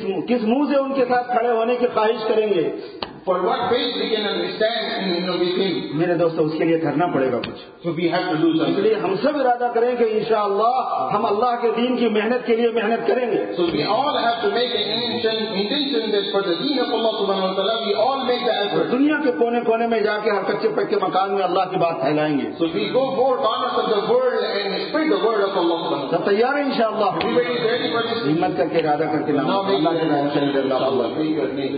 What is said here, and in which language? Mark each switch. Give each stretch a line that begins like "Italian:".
Hindi: किस मुंह से उनके साथ खड़े होने की ख्वाहिश करेंगे?
English: For what faith we can understand and you know we think.
Hindi: मेरे दोस्तों उसके लिए करना पड़ेगा कुछ.
English: So we have to do something.
Hindi: इसलिए हम सब इरादा करें कि इंशाअल्लाह हम अल्लाह के दीन की मेहनत के लिए मेहनत करेंगे.
English: So we all have to make an intention that for the deen of Allah Subhanahu wa Taala we all make the effort.
Hindi: दुनिया के कोने कोने में जाके हर कच्चे पक्के मकान में अल्लाह की बात फैलाएंगे.
English: So we go four corners of the world and spread the word of Allah Subhanahu wa Taala.
Hindi: तैयार हैं इंशाअल्लाह.
English: Everybody is ready for this.
Hindi: हिम्मत करके इरादा करके नाम अल्लाह के नाम से